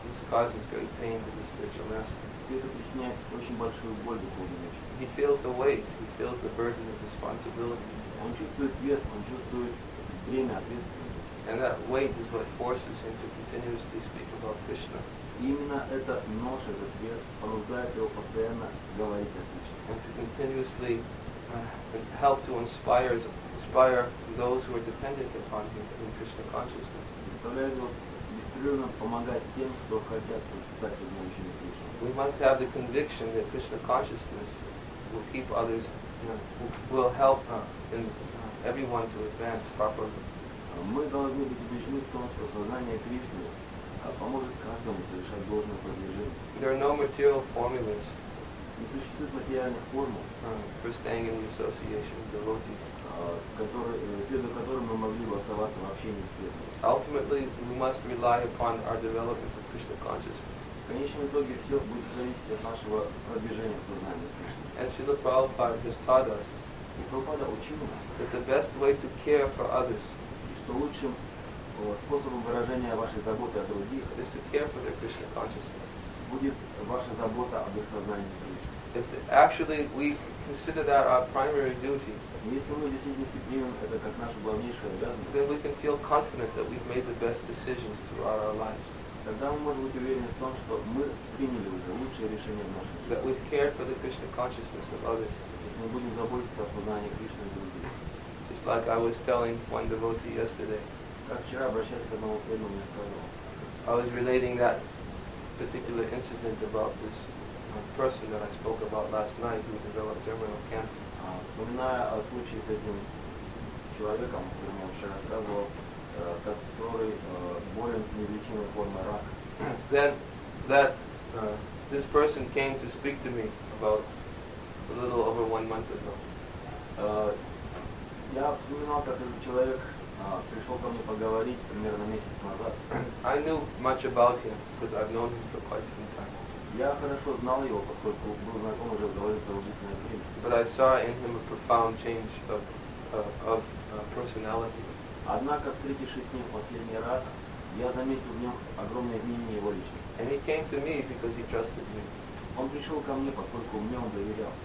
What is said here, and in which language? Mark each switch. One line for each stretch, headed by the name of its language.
English: It causes great pain to the spiritual master.
Russian: И это причиняет очень большую боль духовному учителю.
English: He feels the weight, he feels the burden of responsibility.
Russian: Он чувствует вес, он чувствует бремя ответственности.
English: And that weight is what forces him to continuously speak about Krishna.
Russian: Именно эта ноша, этот вес, побуждает его постоянно говорить о Кришне.
English: And to continuously help to inspire those who are dependent upon him in Krishna consciousness.
Russian: Заставляет его беспрерывно помогать тем, кто хотят стать знающими Кришну.
English: We must have the conviction that Krishna consciousness will keep others, will help everyone to advance properly.
Russian: Мы должны быть убеждены в том, что сознание Кришны поможет каждому совершать должное продвижение.
English: There are no material formulas.
Russian: Не существует материальных формул
English: for staying in the association of devotees,
Russian: следуя которым мы могли бы оставаться в общении с Кришной.
English: Ultimately, we must rely upon our development of Krishna consciousness.
Russian: В конечном итоге все будет зависеть от нашего продвижения в сознании Кришны.
English: And Srila Prabhupada has taught us,
Russian: и Прабхупада учил нас,
English: that the best way to care for others,
Russian: что лучшим способом выражения вашей заботы о других
English: is to care for their Krishna consciousness.
Russian: Будет ваша забота об их сознании Кришны.
English: If actually we consider that our primary duty,
Russian: если мы действительно примем это как нашу главнейшую обязанность,
English: then we can feel confident that we've made the best decisions throughout our lives.
Russian: Тогда мы можем быть уверены в том, что мы приняли уже лучшие решения в нашей жизни.
English: That we've cared for the Krishna consciousness of others.
Russian: мы будем заботиться о сознании Кришны других.
English: Just like I was telling one devotee yesterday.
Russian: Как вчера обращаясь к одному преданному, я сказал.
English: I was relating that particular incident about this person that I spoke about last night who developed terminal cancer.
Russian: Вспоминая о случае с этим человеком, которым я вчера сказал, который болен неизлечимой формой рака.
English: Then that this person came to speak to me about a little over 1 month ago.
Russian: Я вспоминал, как этот человек пришел ко мне поговорить примерно месяц назад.
English: I knew much about him because I've known him for quite some time.
Russian: Я хорошо знал его, поскольку был знаком уже довольно длительное время.
English: But I saw in him a profound change of personality.
Russian: Однако, встретившись с ним в последний раз, я заметил в нем огромное изменение его личности.
English: And he came to me because he trusted me.
Russian: Он пришел ко мне, поскольку мне он доверял.